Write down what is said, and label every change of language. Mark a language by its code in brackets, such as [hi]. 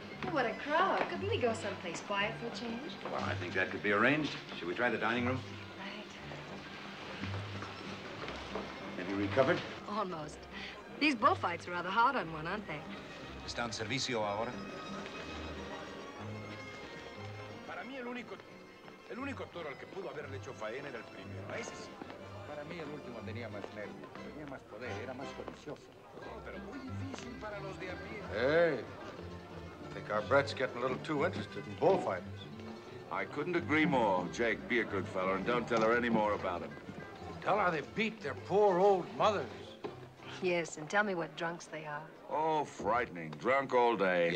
[en] What a crowd. Couldn't we go someplace quiet for a change? Well, I think that could be arranged. Should we try the dining room? Right. Have you recovered? Almost. These bullfights are rather hard on one, aren't they? [es] Están servicio ahora. Para mí el único toro al que pudo haberle hecho faena era el primero. ¿Ves? Para mí el último tenía más nervios, tenía más poder, era más codicioso. Pero muy difícil para los de a pie. [en] Hey, I think our Brett's getting a little too interested in bullfighters. I couldn't agree more. Jake, be a good fella and don't tell her any more about him. Tell her they beat their poor old mothers. Yes, and tell me what drunks they are. Oh, frightening. Drunk all day.